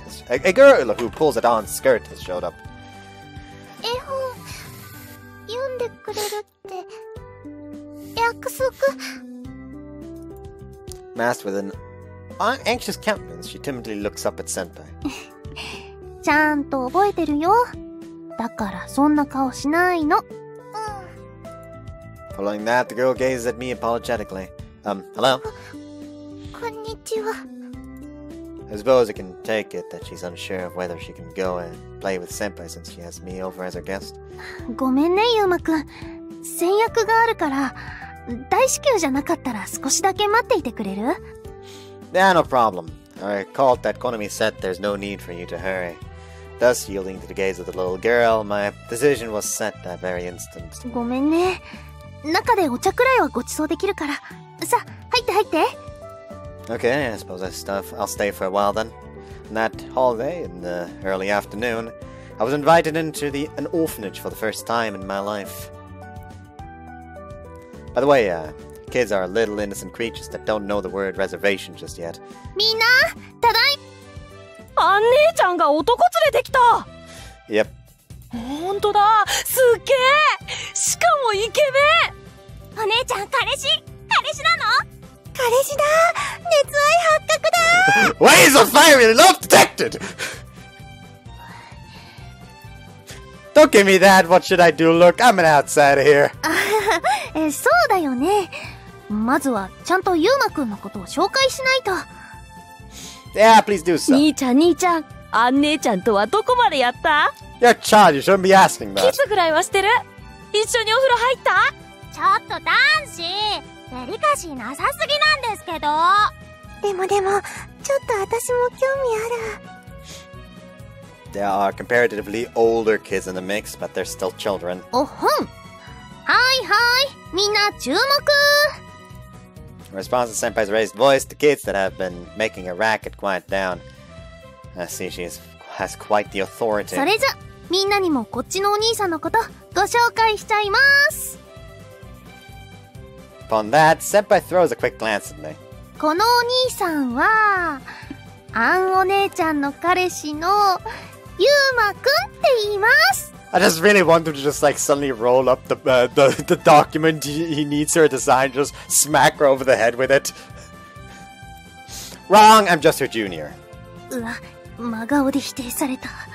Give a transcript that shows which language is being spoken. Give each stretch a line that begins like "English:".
English: A girl who pulls that on skirt has showed up.
Japanese: 絵本読んでくれるって約束
English: Masked with an anxious countenance, she timidly looks up at Senpai.
Japanese: ちゃんと覚えてるよ。だからそんな顔しないの。
English: Following that, the girl gazes at me apologetically. Hello?
Japanese: こんにちは。
English: I suppose I can take it that she's unsure of whether she can go and play with Senpai since she has me over as her guest.
Japanese: ごめんね、ユーマくん。先約があるから、大至急じゃなかったら少しだけ待っていてくれる?
English: Yeah, no problem. I recalled that Konami said there's no need for you to hurry. Thus, yielding to the gaze of the little girl, my decision was set that very instant.
Japanese: ごめんね。中でお茶くらいはごちそうできるから。さ、入って入って。
English: Okay, I suppose I'll stay for a while then. On that hallway, in the early afternoon, I was invited into an orphanage for the first time in my life. By the way, kids are little innocent creatures that don't know the word reservation just yet.
Japanese: みんな、ただいま。あん姉ちゃんが男連れてきた。
English: Yep.
Japanese: 本当だ。すっげえ。しかもイケメン。お姉ちゃん彼氏？彼氏なの？彼氏だ。熱愛発覚だ。
English: Ways of fire and not detected. Don't give me that. What should I do? Look, I'm an outsider here.
Japanese: そうだよね。まずはちゃんとユーマくんのことを紹介しないと。
English: Yeah, please do so.
Japanese: 兄ちゃん、兄ちゃん、あん姉ちゃんとはどこまでやった?
English: You're a child, you shouldn't be asking that.
Japanese: キスぐらいはしてる?一緒にお風呂入った? ちょっと男子、デリカシーなさすぎなんですけど。でもでも、ちょっと私も興味ある。
English: There are comparatively older kids in the mix, but they're still children.
Japanese: おほん。はいはい、みんな注目。
English: In response to Senpai's raised voice, the kids that have been making a racket quiet down. I see she has quite the authority.
Japanese: それじゃ、みんなにもこっちのお兄さんのことご紹介しちゃいます。
English: Upon that, Senpai throws a quick glance at me.
Japanese: このお兄さんは、アンお姉ちゃんの彼氏のユーマくんって言います。
English: I just really want him to just like suddenly roll up the document he needs her to sign, just smack her over the head with it. Wrong, I'm just her junior.
Japanese: うわ、真顔で否定された。